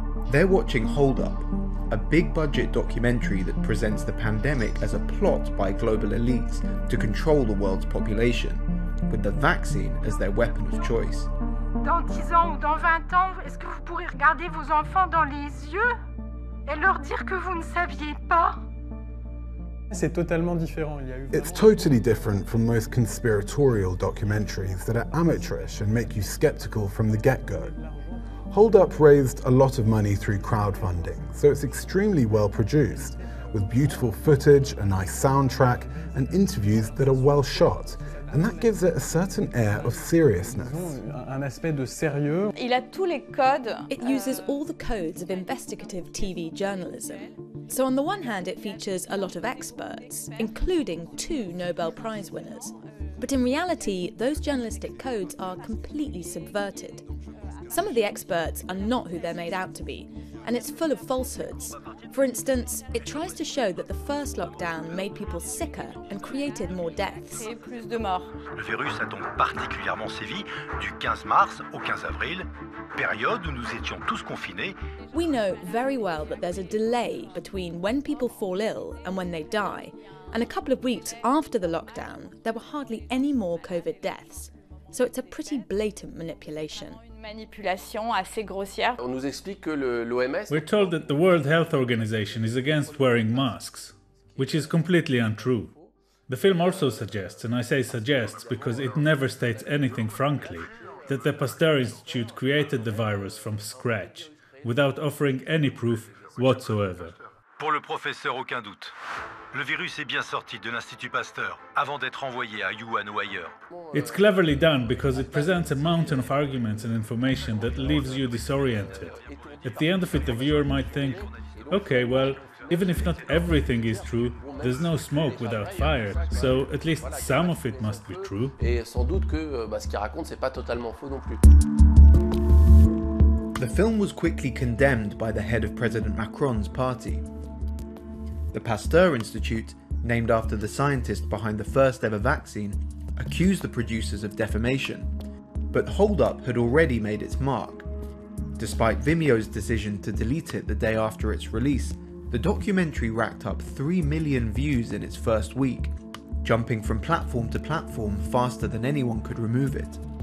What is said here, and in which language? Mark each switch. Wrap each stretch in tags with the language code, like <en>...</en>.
<en>They're watching Hold Up, a big-budget documentary that presents the pandemic as a plot by global elites to control the world's population, with the vaccine as their weapon of choice.</en> <fr>Dans 10 ans ou dans 20 ans, est-ce que vous pourrez regarder vos enfants dans les yeux et leur dire que vous ne saviez pas? C'est totalement différent. Il y a eu...</fr> <en>It's totally different from most conspiratorial documentaries that are amateurish and make you skeptical from the get-go. Hold Up raised a lot of money through crowdfunding, so it's extremely well produced, with beautiful footage, a nice soundtrack, and interviews that are well shot. And that gives it a certain air of seriousness.</en> <fr>Un aspect de sérieux. Il a tous les codes.</fr> <en>It uses all the codes of investigative TV journalism. So on the one hand, it features a lot of experts, including two Nobel Prize winners. But in reality, those journalistic codes are completely subverted. Some of the experts are not who they're made out to be, and it's full of falsehoods. For instance, it tries to show that the first lockdown made people sicker and created more deaths.</en> <fr>Le virus a donc particulièrement sévi du 15 mars au 15 avril, période où nous étions tous confinés.</fr> <en>We know very well that there's a delay between when people fall ill and when they die, and a couple of weeks after the lockdown, there were hardly any more COVID deaths. So it's a pretty blatant manipulation. Manipulation assez grossière.</en> <fr>On nous explique que l'OMS...</fr> <en>We're told that the World Health Organization is against wearing masks, which is completely untrue. The film also suggests, and I say suggests because it never states anything frankly, that the Pasteur Institute created the virus from scratch, without offering any proof whatsoever.</en> <fr>Pour le professeur, aucun doute. Le virus est bien sorti de l'Institut Pasteur avant d'être envoyé à Yuan ou ailleurs.</fr> <en>It's cleverly done because it presents a mountain of arguments and information that leaves you disoriented. At the end of it, the viewer might think, okay, well, even if not everything is true, there's no smoke without fire, so at least some of it must be true.</en> <fr>Et sans doute que ce qu'il raconte, c'est pas totalement faux non plus.</fr> <en>The film was quickly condemned by the head of President Macron's party. The Pasteur Institute, named after the scientist behind the first ever vaccine, accused the producers of defamation. But Hold Up had already made its mark. Despite Vimeo's decision to delete it the day after its release, the documentary racked up 3 million views in its first week, jumping from platform to platform faster than anyone could remove it.</en>